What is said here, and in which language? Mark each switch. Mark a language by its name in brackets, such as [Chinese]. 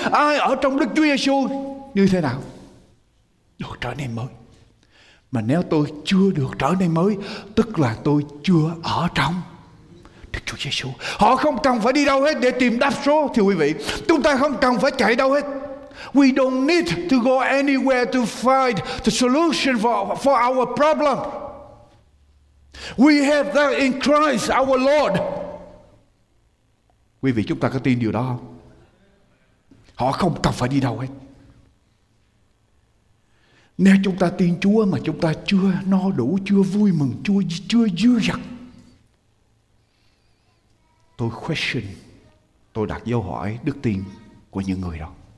[Vietnamese] Ai ở trong Đức Chúa Giê-xu như thế nào? Được trở nên mới. Mà nếu tôi chưa được trở nên mới, tức là tôi chưa ở trong Đức Chúa Giê-xu. Họ không cần phải đi đâu hết để tìm đáp số. Thì quý vị, chúng ta không cần phải chạy đâu hết. [English] We don't need to go anywhere to find the solution for our problem. We have that in Christ our Lord. [Vietnamese] Quý vị, chúng ta có tin điều đó không? Họ không cần phải đi đâu hết. Nếu chúng ta tin Chúa mà chúng ta chưa no đủ, chưa vui mừng, chưa dư dật, tôi question, tôi đặt dấu hỏi đức tin của những người đó.